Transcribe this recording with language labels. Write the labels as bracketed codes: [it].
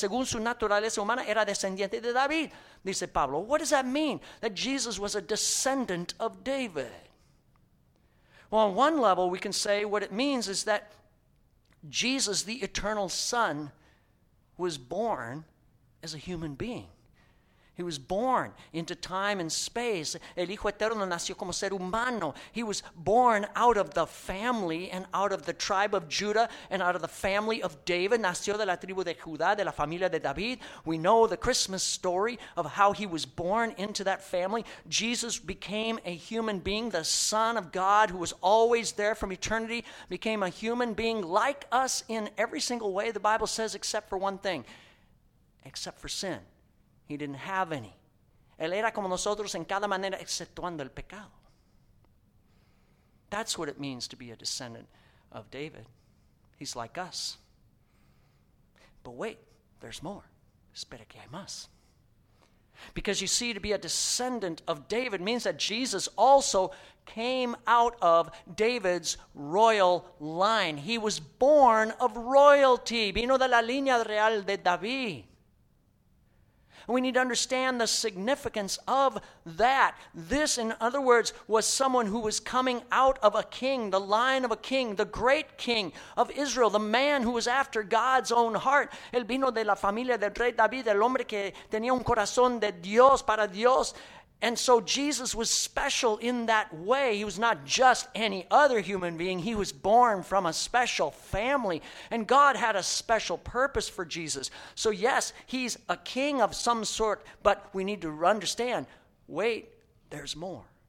[es] Según su naturaleza humana, era descendiente de David, dice Pablo. [en] What does that mean? That Jesus was a descendant of David. Well, on one level, we can say what it means is that Jesus, the eternal Son, was born as a human being. He was born into time and space. [es] El Hijo Eterno nació como ser humano. [en] He was born out of the family and out of the tribe of Judah and out of the family of David. [es] Nació de la tribu de Judá, de la familia de David. [en] We know the Christmas story of how he was born into that family. Jesus became a human being, the Son of God who was always there from eternity, became a human being like us in every single way, the Bible says, except for one thing, except for sin. He didn't have any. [es] Él era como nosotros en cada manera, exceptuando el pecado. [en] That's what it means to be a descendant of David. He's like us. But wait, there's more. [es] Espera que hay más. [en] Because you see, to be a descendant of David means that Jesus also came out of David's royal line. He was born of royalty. [es] Vino de la línea real de David. [en] We need to understand the significance of that. This, in other words, was someone who was coming out of a king, the line of a king, the great king of Israel, the man who was after God's own heart. [es] El vino de la familia del rey David, el hombre que tenía un corazón de Dios, para Dios. [en] And so Jesus was special in that way. He was not just any other human being. He was born from a special family. And God had a special purpose for Jesus. So yes, he's a king of some sort, but we need to understand, wait, there's more.